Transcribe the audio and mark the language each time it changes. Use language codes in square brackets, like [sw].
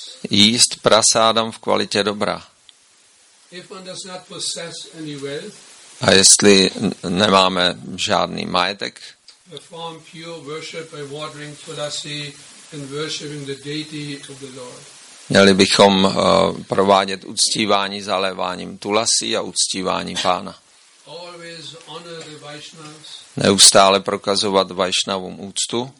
[cs] Jíst prasádam v kvalitě dobra. [en] If one does not possess any wealth, [cs] a jestli nemáme žádný majetek, [en] perform pure worship by watering tulasi and worshiping the deity of the Lord. [cs] Měli bychom provádět uctívání zaléváním tulasi a uctívání Pána. [en] Always honor the Vaishnavas. [cs] Neustále prokazovat Vaishnavům úctu.